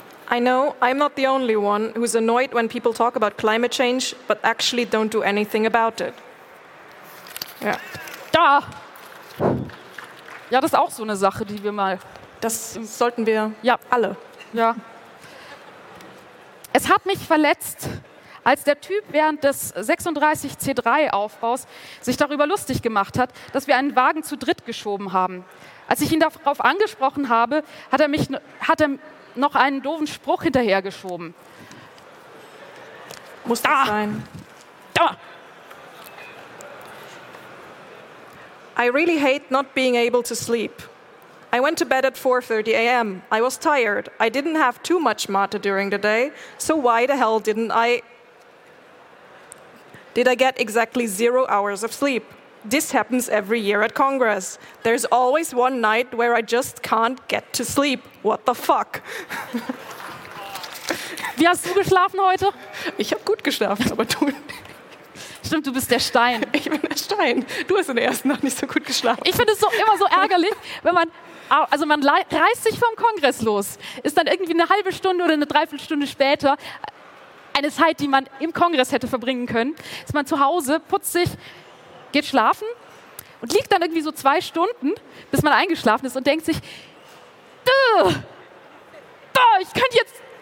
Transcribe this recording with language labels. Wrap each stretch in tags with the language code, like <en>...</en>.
<en>I know I'm not the only one who's annoyed when people talk about climate change, but actually don't do anything about it.</en> <de>Ja. Da. Ja, das ist auch so eine Sache, die wir mal... Das sollten wir ja alle. Ja. Es hat mich verletzt, als der Typ während des 36C3-Aufbaus sich darüber lustig gemacht hat, dass wir einen Wagen zu dritt geschoben haben. Als ich ihn darauf angesprochen habe, hat er noch einen doofen Spruch hinterhergeschoben. Muss das sein? Da!</de> <en>I really hate not being able to sleep. I went to bed at 4:30 a.m. I was tired. I didn't have too much matter during the day. So why the hell did I get exactly 0 hours of sleep? This happens every year at Congress. There's always one night where I just can't get to sleep. What the fuck?</en> <de>Wie hast du geschlafen heute? Ich habe gut geschlafen, aber du... Stimmt, du bist der Stein. Ich bin der Stein. Du hast in der ersten Nacht nicht so gut geschlafen. Ich finde es so immer so ärgerlich, wenn man... Also man reißt sich vom Kongress los, ist dann irgendwie eine halbe Stunde oder eine Dreiviertelstunde später eine Zeit, die man im Kongress hätte verbringen können, ist man zu Hause, putzt sich, geht schlafen und liegt dann irgendwie so 2 Stunden, bis man eingeschlafen ist und denkt sich, ich könnte jetzt...</de>